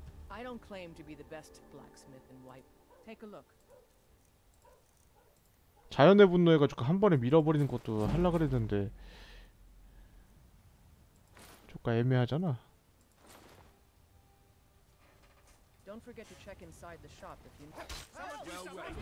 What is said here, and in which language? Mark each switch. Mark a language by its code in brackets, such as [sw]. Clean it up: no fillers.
[en] I don't claim to be the best blacksmith in White. Take a look. [ko] 자연의 분노해가지고 한 번에 밀어버리는 것도 하려 그랬는데 조금 애매하잖아. [en] Don't forget to check inside the shop if you.